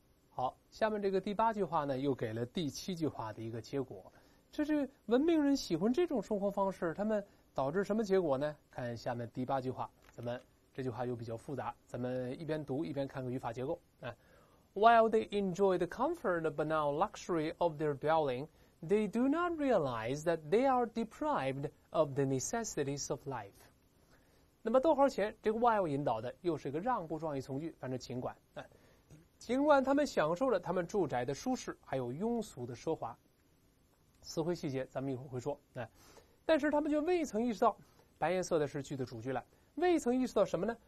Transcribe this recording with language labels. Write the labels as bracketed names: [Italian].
[Chinese] 好，下面这个第八句话呢，又给了第七句话的一个结果。这是文明人喜欢这种生活方式，他们导致什么结果呢？看下面第八句话，咱们这句话又比较复杂，咱们一边读一边看个语法结构。 [English] While they enjoy the comfort but now luxury of their dwelling, they do not realize that they are deprived of the necessities of life. [Chinese] 那么逗号前，这个 while 引导的又是一个让步状语从句，反正尽管。尽管他们享受着他们住宅的舒适还有庸俗的奢华，词汇细节咱们一会儿会说，但是他们就未曾意识到，白颜色的是句的主句了，未曾意识到什么呢？